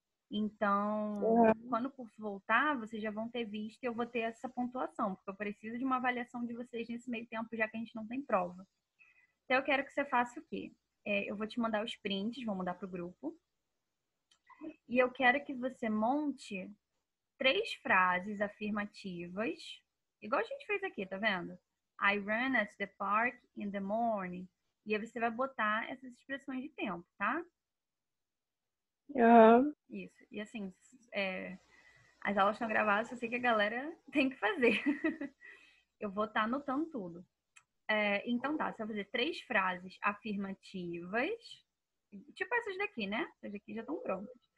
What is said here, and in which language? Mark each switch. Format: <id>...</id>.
<pt>Então, quando o curso voltar, vocês já vão ter visto e eu vou ter essa pontuação, porque eu preciso de uma avaliação de vocês nesse meio tempo, já que a gente não tem prova. Então, eu quero que você faça o quê? É, eu vou te mandar os prints, vou mandar para o grupo. E eu quero que você monte 3 frases afirmativas, igual a gente fez aqui, tá vendo?</pt> <en>I ran at the park in the morning.</en> <pt>E aí você vai botar essas expressões de tempo, tá? Isso. E assim, as aulas estão gravadas, eu sei que a galera tem que fazer. Eu vou estar anotando tudo. É, então tá, você vai fazer 3 frases afirmativas, tipo essas daqui, né? Essas daqui já estão prontas.</pt>